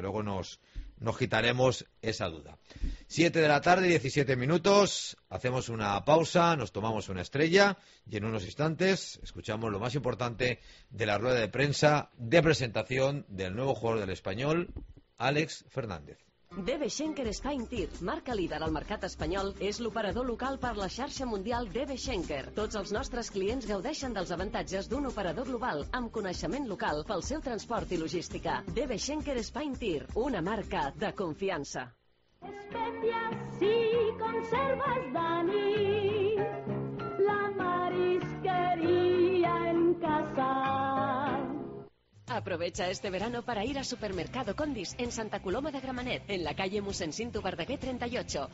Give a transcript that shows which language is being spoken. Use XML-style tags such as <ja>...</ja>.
<es>Luego nos quitaremos esa duda. 7:17 p.m. Hacemos una pausa, nos tomamos una estrella y en unos instantes escuchamos lo más importante de la rueda de prensa de presentación del nuevo jugador del Español, Àlex Fernández.</es> <ca>DB Schenker Spine Tir, marca líder al mercat espanyol, és l'operador local per la xarxa mundial DB Schenker. Tots els nostres clients gaudeixen dels avantatges d'un operador global amb coneixement local pel seu transport i logística. DB Schenker Spine Tir, una marca de confiança.</ca> <es>Especias sí, conserves Dani, la marisquería en casa. Aprovecha este verano para ir a Supermercado Condis en Santa Coloma de Gramenet, en la calle Mossèn Cinto Verdaguer 38.</es>